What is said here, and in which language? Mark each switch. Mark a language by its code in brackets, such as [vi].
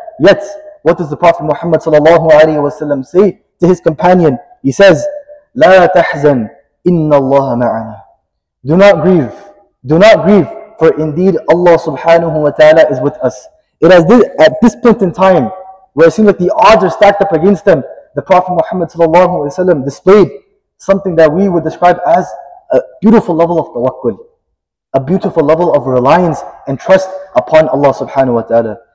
[en] Yet, what does the Prophet Muhammad sallallahu alayhi wa sallam say to his companion? He says, [ar] لَا تَحْزَنْ إِنَّ اللَّهَ مَعَنَا. [en] Do not grieve. Do not grieve, for indeed Allah subhanahu wa ta'ala is with us. It is at this point in time, where it seems like the odds are stacked up against them, the Prophet Muhammad sallallahu alaihi wasallam displayed something that we would describe as a beautiful level of tawakkul, a beautiful level of reliance and trust upon Allah subhanahu wa ta'ala.